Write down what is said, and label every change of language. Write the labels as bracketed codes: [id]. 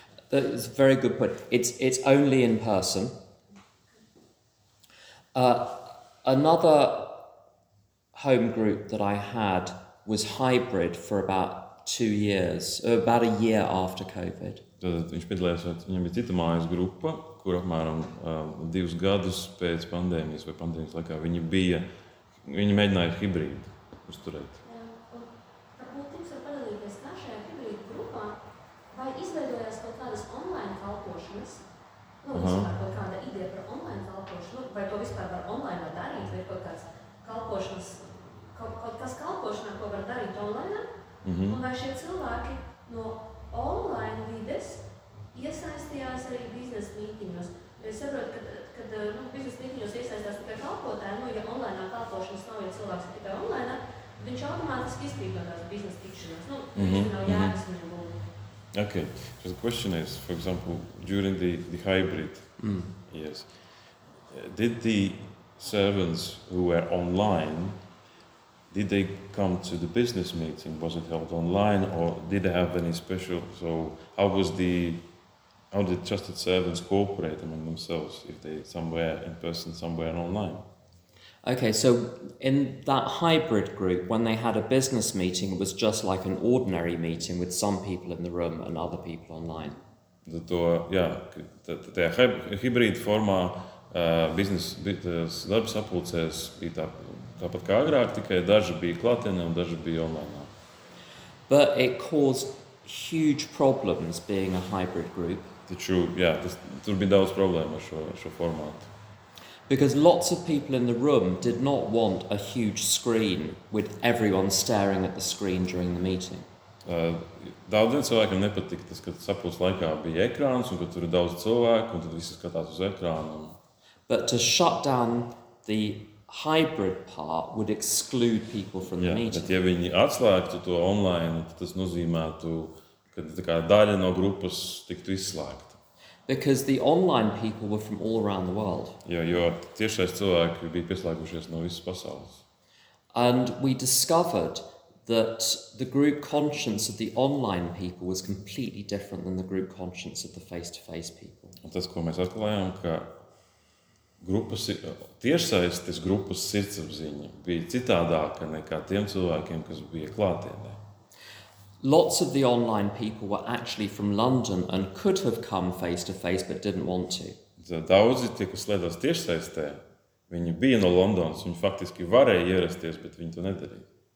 [en] That is a very good point. It's only in-person. Another home group that I had was hybrid for about 2 years, or about a year after COVID. [lv] Viņš piedalējās, viņam ir cita mājas grupa, kur apmēram divus gadus pēc pandēmijas vai pandēmijas laikā viņi bija, viņi mēģināja hibrīdu uzturēt. Un tāpēc jums var padalīties, kā šajā hibrīdu grupā, vai izveidojās kaut kādas online kalpošanas, vispār kaut kāda ideja par online kalpošanu, vai to vispār var online var darīt, vai kaut kāds kalpošanas, kaut kas kalpošanā, ko var darīt online, un vai šie cilvēki no online vides iesaistījās arī biznes mītiņos. Es saprotu, kad nu, biznes mītiņos iesaistās tikai kalpotāji, nu, ja online kalpošanas nav, ja cilvēks ir tikai online, viņš automātiski izpīdotās biznes tikšanās. Nu, viņš nav jāgas nebūt. [en] Okay, so the question is, for example, during the hybrid, yes, did the servants who were online, did they come to the business meeting? Was it held online or did they have any special? So how did trusted servants cooperate among themselves if they somewhere in person, somewhere online? Okay, so in that hybrid group, when they had a business meeting, it was just like an ordinary meeting with some people in the room and other people online. [lv] Tā hybrid formā business darbs sapulcēs bija tāpat kā agrāk, tikai daži bija klātienē un daži bija online. [en] But it caused huge problems being a hybrid group. [lv] Taču, jā, tur bija daudz problēmu ar šo formātu. [en] Because lots of people in the room did not want a huge screen with everyone staring at the screen during the meeting. [lv] Daudziem cilvēkiem nepatika tas, ka sapulces laikā bija ekrāns un ka tur ir daudz cilvēku un tad visi skatās uz ekrānu. [en] But to shut down the hybrid part would exclude people from the meeting. [lv] Bet ja viņi atslēgtu to online, tad tas nozīmētu, ka tā kā daļa no grupas tiktu izslēgta. [en] Because the online people were from all around the world. [lv] Jo tiešais cilvēki bija pieslēgušies no visas pasaules. [en] And we discovered that the group conscience of the online people was completely different than the group conscience of the face-to-face people. [lv] Tas, ko mēs atklājām, ka grupas, tiešsaistes grupas sirdsapziņa bija citādāka nekā tiem cilvēkiem, kas bija klātienē. [en] Lots of the online people were actually from London and could have come face-to-face, but didn't want to. [lv] Daudzi tie, kas slēdās tiešsaistē, viņi bija no Londonas, viņi faktiski varēja ierasties, bet viņi to nedarīja.